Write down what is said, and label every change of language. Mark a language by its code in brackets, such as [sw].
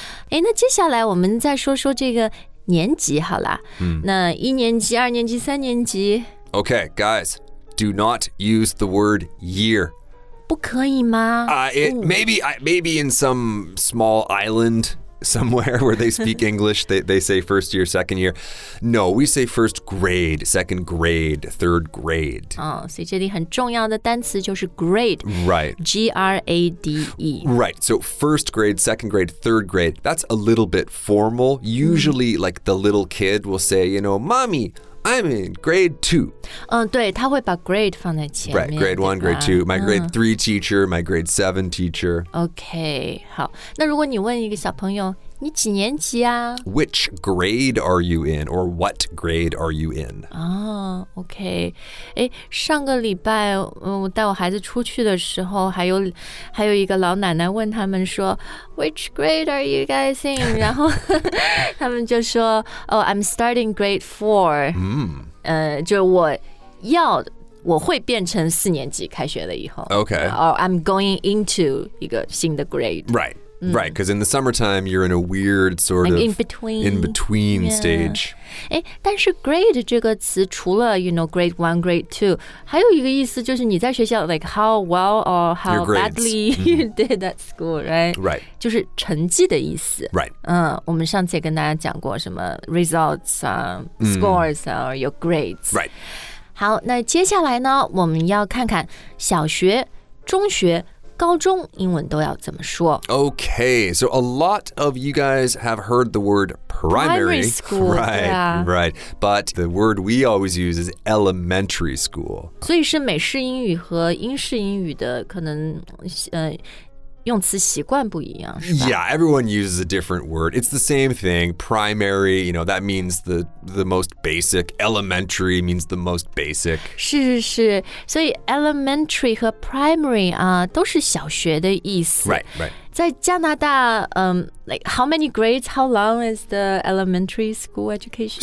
[zh] 哎，那接下来我们再说说这个年级好了。那一年级、二年级、三年级。 [en] Okay, guys, do not use the word year. [zh] 不可以吗？ [en] Maybe in some small island somewhere where they speak English, they say first year, second year. No, we say first grade, second grade, third grade. [zh] 所以这里很重要的单词就是 grade. [en] Right. G-R-A-D-E. Right, so first grade, second grade, third grade, that's a little bit formal. Usually, like the little kid will say, you know, Mommy, I'm in grade two. [zh] 对,他会把 grade 放在前面。 [en] Right, grade one, grade two, my grade three teacher, my grade seven teacher. Okay, 好。 [zh] 那如果你问一个小朋友,你几年级啊? [en] Which grade are you in, or what grade are you in? [zh] Okay. 诶,上个礼拜,我带我孩子出去的时候,还有一个老奶奶问他们说, [en] Which grade are you guys in? [zh] 然后他们就说, [en] Oh, I'm starting grade four. [zh] 就我要我会变成四年级开学了以后 [en] Okay. Or I'm going into [zh] 一个新的 [en] grade. Right. Right, because in the summertime, you're in a weird sort like of in between yeah. stage. 但是 grade [zh] 这个词除了 [en] you know, grade one, grade two, [zh] 还有一个意思就是你在学校 [en] like how well or how badly you did at school, right? Right. [zh] 就是成绩的意思。 [en] Right. [zh] 我们上次也跟大家讲过什么 [en] results, scores, or your grades. Right. [zh] 好，那接下来呢，我们要看看小学、中学高中英文都要怎么说 [en] Okay, so a lot of you guys have heard the word primary school, right,、 yeah. right. But the word we always use is elementary school. [zh] 所以是美式英语和英式英语的可能、用词习惯不一样是吧 [en] Yeah, everyone uses a different word. It's the same thing. Primary, you know, that means the most basic. Elementary means the most basic. [zh] 是是是。所以 elementary 和 primary 啊、都是小学的意思。 [en] Right, right. [zh] 在加拿大、 [en] like how many grades, how long is the elementary school education?